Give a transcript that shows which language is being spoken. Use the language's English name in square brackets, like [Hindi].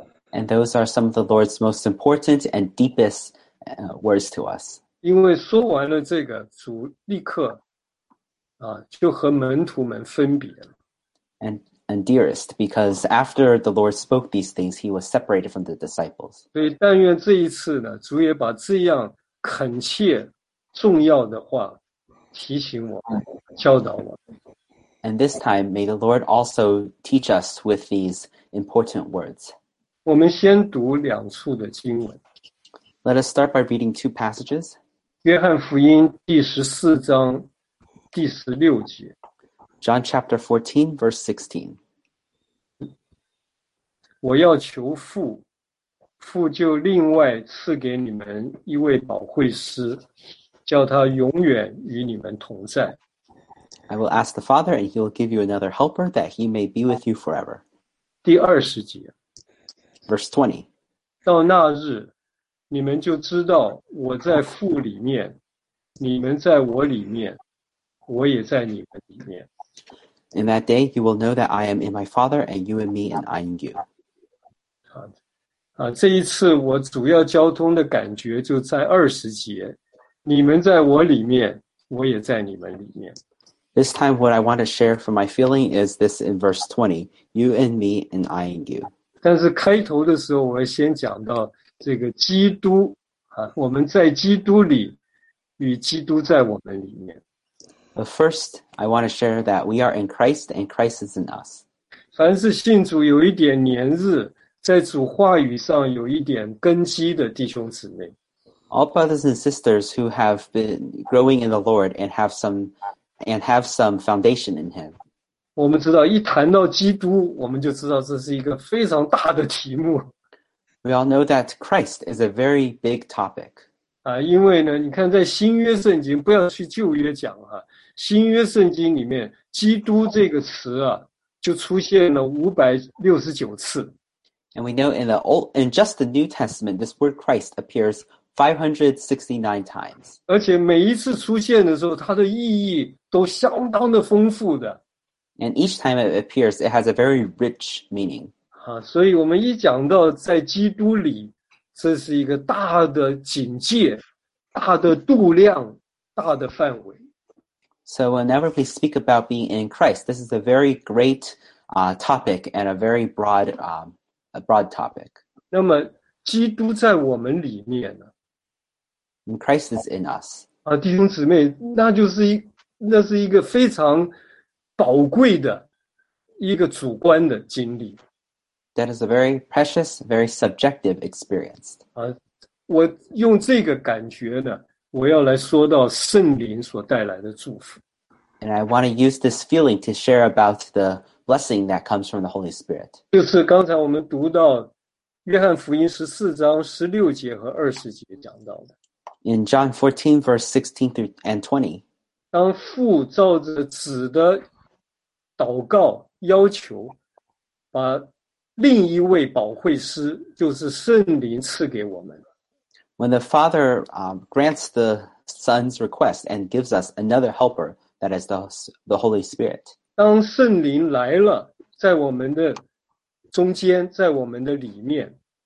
[English] And those are some of the Lord's most important and deepest words to us. [Chinese] 因为说完了这个，主立刻就和门徒们分别了。 [English] And dearest, because after the Lord spoke these things, he was separated from the disciples. [Chinese] 所以但愿这一次呢，主也把这样恳切重要的话提醒我们，教导我们。 [English] And this time, may the Lord also teach us with these important words. [Chinese] 我们先读两处的经文。 [English] Let us start by reading two passages. [Chinese] 约翰福音第十四章第十六节。 [English] John chapter 14, verse 16. [Chinese] 我要求父，父就另外赐给你们一位保惠师，叫他永远与你们同在。 [English] I will ask the Father, and he will give you another helper that he may be with you forever. [Chinese] 第二十节。 [English] Verse 20。 [Chinese] 到那日，你们就知道我在父里面，你们在我里面，我也在你们里面。 [English] In that day, you will know that I am in my Father, and you in me, and I in you. [Chinese] 这一次我主要交通的感觉就在二十节，你们在我里面，我也在你们里面。 [English] This time, what I want to share from my feeling is this in verse 20, you and me and I and you. [Chinese] 但是开头的时候我先讲到这个基督，我们在基督里与基督在我们里面。 [English] But first, I want to share that we are in Christ and Christ is in us. [Chinese] 凡是信主有一点年日，在主话语上有一点根基的弟兄姊妹。 [English] All brothers and sisters who have been growing in the Lord and have some foundation in him. [Chinese] 我们知道一谈到基督，我们就知道这是一个非常大的题目。 [English] We all know that Christ is a very big topic. [Chinese] 因为呢，你看在新约圣经，不要去旧约讲啊，新约圣经里面基督这个词啊，就出现了569次。 [English] And we know in just the New Testament, this word Christ appears 569 times. [Chinese] 而且每一次出现的时候，它的意义都相当的丰富的。 [English] And each time it appears, it has a very rich meaning. [Chinese] 所以我们一讲到在基督里，这是一个大的警戒，大的度量，大的范围。 [English] So whenever we speak about being in Christ, this is a very great topic and a very broad, broad topic. [Chinese] 那么基督在我们里面呢？ [English] And Christ is in us. [Chinese] 弟兄姊妹，那是一个非常宝贵的一个主观的经历。 [English] That is a very precious, very subjective experience. [Chinese] 我用这个感觉呢，我要来说到圣灵所带来的祝福。 [English] And I want to use this feeling to share about the blessing that comes from the Holy Spirit. [Chinese] 就是刚才我们读到约翰福音14章16节和20节讲到的。 [English] In John 14, verse 16 through and 20, [Chinese] 当父照着子的祷告要求，把另一位保惠师，就是圣灵赐给我们。 [English] When the Father grants the Son's request and gives us another helper, that is the Holy Spirit. [Chinese] 当圣灵来了，在我们的中间，在我们的里面。